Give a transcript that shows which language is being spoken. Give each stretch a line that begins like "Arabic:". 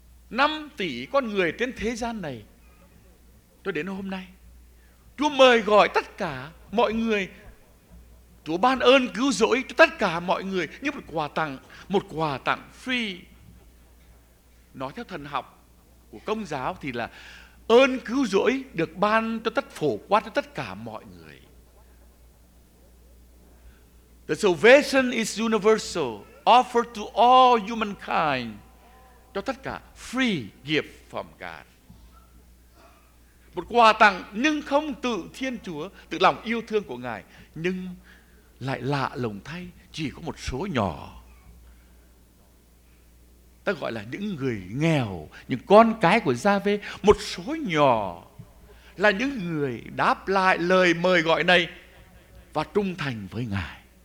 Vietnamese: Năm tỷ con người trên thế gian này cho đến hôm nay, Chúa mời gọi tất cả mọi người, Chúa ban ơn cứu rỗi cho tất cả mọi người như một quà tặng, một quà tặng free. Nói theo thần học của Công giáo thì là ơn cứu rỗi được ban cho tất phổ quát cho tất cả mọi người.
English: The salvation is universal, offered to all humankind,
Vietnamese: cho tất cả,
English: free gift from God.
Vietnamese: Một quà tặng nhưng không tự Thiên Chúa, tự lòng yêu thương của Ngài, nhưng lại lạ lùng thay, chỉ có một số nhỏ. Ta gọi là những người nghèo, những con cái của Gia-vê, một số nhỏ là những người đáp lại lời mời gọi này và trung thành với Ngài.